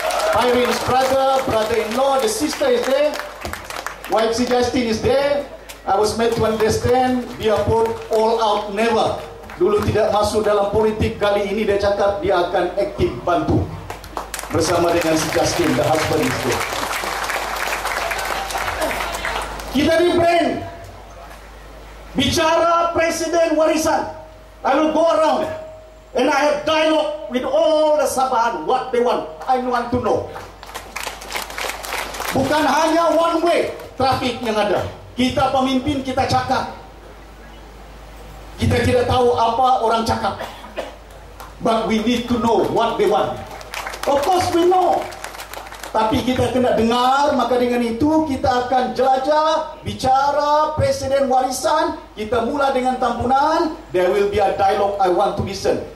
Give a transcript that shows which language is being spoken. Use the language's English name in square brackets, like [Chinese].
[English] Pairin's brother, brother-in-law, the sister is there. Wife si Justin is there. I was made to understand. [Malay] Dia pun all out never. Dulu tidak masuk dalam politik. Kali ini dia cakap dia akan aktif bantu. Bersama dengan si Justin, the husband is there. Kita di brand. [English] Bicara Presiden Warisan, I will go around and I have dialogue with all the Sabahan, what they want, I want to know. [Malay] Bukan hanya one way traffic yang ada. Kita pemimpin, kita cakap. [English] Kita tidak tahu apa orang cakap. But we need to know what they want. Of course we know. [Malay] Tapi kita kena dengar, maka dengan itu kita akan jelajah, bicara Presiden Warisan. Kita mula dengan Tambunan. [English] There will be a dialogue I want to listen.